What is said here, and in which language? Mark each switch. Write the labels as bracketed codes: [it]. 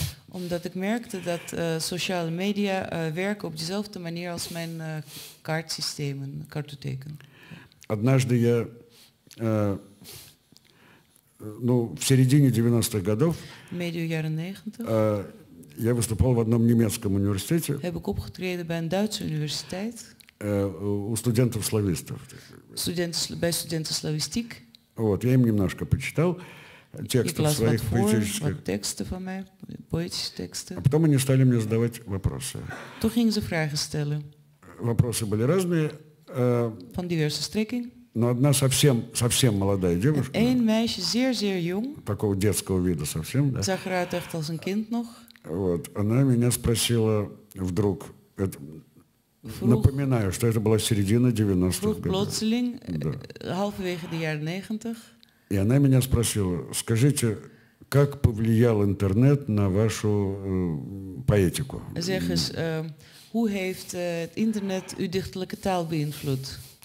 [nl] Omdat ik merkte dat sociale media werken op dezelfde manier als mijn kaartsystemen, kartotheken. [ru] Однажды я, в середине 90-х годов, [nl] medio jaren 90, [ru] я выступал в одном немецком университете. [nl] Heb ik opgetreden bij een Duitse universiteit. [ru] У студентов-славистов. [nl] Bij studenten-slavistiek. [ru] Вот, я им немножко почитал текстов своих поэтических. Текстов о моих, поэтических текстов. А потом они стали мне задавать вопросы. [nl] Toen gingen ze vragen stellen. [ru] Вопросы были разные. [nl] Van diverse strekking. [ru] Но одна совсем, совсем молодая девушка. [nl] Een meisje, zeer, zeer jong. [ru] Такого детского вида совсем, да. [nl] Zag eruit echt als een kind nog. [ru] Вот, она меня спросила вдруг, напоминаю, что это была середина 90-х годов. [nl] Halverwege de jaren 90. [ru] И она меня спросила, скажите, как повлиял интернет на вашу поэтику? [nl] Zeg eens, hoe heeft het internet uw dichterlijke taal beïnvloed?